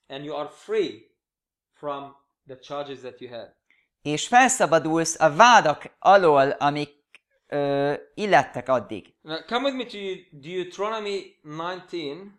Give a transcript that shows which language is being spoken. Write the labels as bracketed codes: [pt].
[en] And you are free from the charges that you had. [hu] És felszabadulsz a vádak alól, amik illettek addig. [en] Now, come with me to Deuteronomy 19.